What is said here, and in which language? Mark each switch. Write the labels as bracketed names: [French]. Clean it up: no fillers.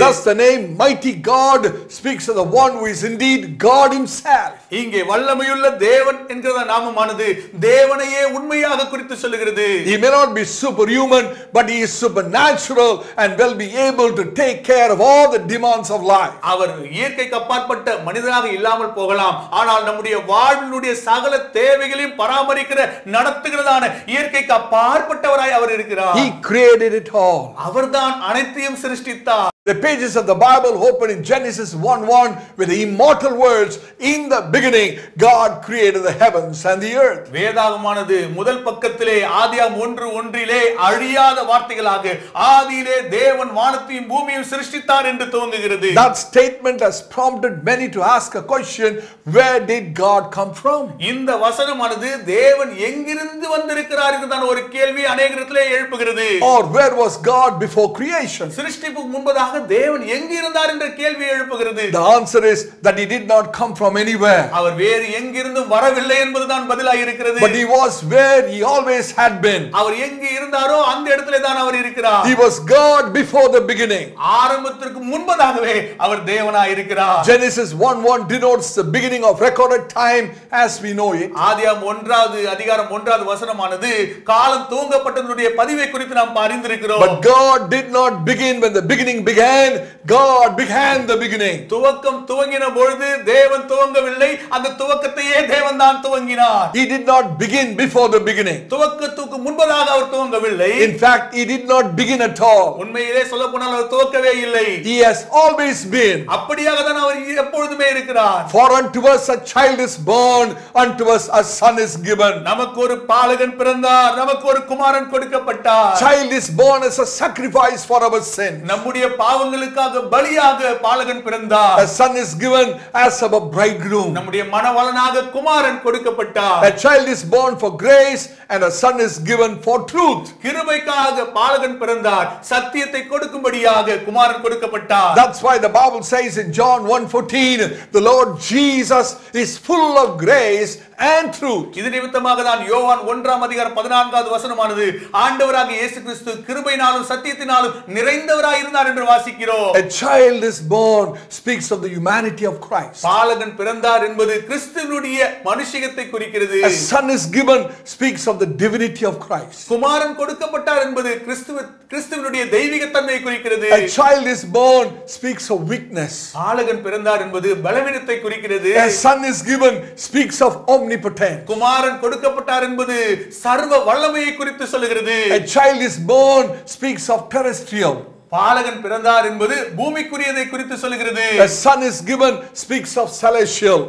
[English] Thus the name Mighty God speaks of the one who is indeed God himself. [Tamil] இங்கே வல்லமையுள்ள தேவன் என்கிற நாமமானது தேவனையே உண்மையாக குறித்து சொல்கிறது. [English] He may not be superhuman but he is supernatural and will be able to take care of all the demands of life. [Tamil] அவர் இயற்கைக்கு அப்பாற்பட்ட மனிதனாக இல்லாமல் போகலாம். ஆனால் நம்முடைய வாழ்வினுடைய சகல தேவைகளையும் பராமரிக்கிற நடத்துகிறதான இயற்கைக்கு அப்பாற்பட்டவராய் [English] He created it all. [Tamil] அவர்தான் அனைத்தையும் சிருஷ்டித்தார். [English] The pages of the Bible open in Genesis 1:1 with the immortal words, In the beginning, God created the heavens and the earth. [Tamil] வேதாகமானது முதல் பக்கத்திலே ஆதியாகமம் 1:1 அழியாத வார்த்தைகளாக ஆதியிலே தேவன் வானத்தையும் பூமியையும் சிருஷ்டித்தார் என்று துவங்குகிறது. [English] That statement has prompted many to ask a question, Where did God come from? [Tamil] இந்த வசனமானது தேவன் எங்கிருந்து வந்திருக்கிறார் என்றதான ஒரு கேள்வி அநேகரத்திலே எழுப்புகிறது. [English] Or where was God before creation? [Tamil] சிருஷ்டிப்பு முன்பு தேவன் எங்க இருந்தார் என்ற கேள்வி எழுப்புகிறது. [English] The answer is that he did not come from anywhere. [Tamil] அவர் வேறு எங்கிருந்தும் வரவில்லை என்பதுதான் பதிலாக இருக்கிறது. [English] But he was where he always had been. [Tamil] அவர் எங்க இருந்தாரோ அந்த இடத்திலே தான் அவர் இருக்கிறார். [English] He was God before the beginning. [Tamil] ஆரம்பத்திற்கு முன்பதாகவே அவர் தேவனாய் இருக்கிறார். [English] Genesis 1:1 denotes the beginning of recorded time as we know it. [Tamil] ஆதியாகமம் 1வது அதிகாரம் 1வது வசனமானது காலம் துவங்கப்பட்டதுடைய பதிவை குறித்து நாம் அறிந்திருக்கிறோம். [English] But God did not begin when the beginning began God began the beginning [Tamil] துவக்கம் துவங்கின பொழுது தேவன் துவங்கவில்லை அந்த துவக்கத்தையே தேவன் தான் துவங்கினார் [English] He did not begin before the beginning [Tamil] துவக்கத்துக்கு முன்பதாக அவர் துவங்கவில்லை [English] In fact he did not begin at all [Tamil] உண்மையிலே சொல்லப்போனால் அவர் துவக்கவே இல்லை [English] He has always been [Tamil] அப்படியே தான் அவர் எப்பொழுதே இருக்கிறார் [English] For unto us a child is born unto us a son is given [Tamil] நமக்கு ஒரு பாலகன் பிறந்தார் நமக்கு ஒரு குமாரன் கொடுக்கப்பட்டார் [English] Child is born as a sacrifice for our sin [Tamil] நம்முடைய பாவங்களுக்காக பலியாக பாலகன் பிறந்தார் [English] A son is given as of a bridegroom [Tamil] நம்முடைய மனவலனாக குமாரன் கொடுக்கப்பட்டார் [English] A child is born for grace and a son is given for truth [Tamil] கிருபைக்காக பாலகன் பிறந்தார் சத்தியத்தை கொடுக்கும்படியாக குமாரன் கொடுக்கப்பட்டார் [English] That's why the Bible says in John 1:14 the Lord Jesus is full of grace and truth [Tamil] இது நிமித்தமாக தான் யோவான் 1 அதிகாரம் 14வது வசனமானது ஆண்டவராக இயேசு கிறிஸ்து கிருபையினாலும் சத்தியத்தினாலும் நிறைந்தவராய் இருந்தார் என்று வாசிக்கிறோம் [English] A child is born speaks of the humanity of Christ [Tamil] பாலகன் பிறந்தார் என்பது கிறிஸ்துவினுடைய மனுஷியத்தை குறிக்கிறது [English] A son is given speaks of the divinity of Christ [Tamil] குமாரன் கொடுக்கப்பட்டார் என்பது கிறிஸ்துவினுடைய தெய்வீக தன்மையை குறிக்கிறது [English] A child is born speaks of weakness [Tamil] பாலகன் பிறந்தார் என்பது பலவீனத்தை குறிக்கிறது [English] A son is given speaks of omnipotent [Tamil] குமாரன் கொடுக்கப்பட்டார் என்பது சர்வ வல்லமையை குறித்து சொல்கிறது [English] A child is born speaks of terrestrial [Tamil] பாலகன் பிறந்தார் என்பது பூமிக்குரியதை குறித்து சொல்கிறது. [English] The son is given speaks of celestial.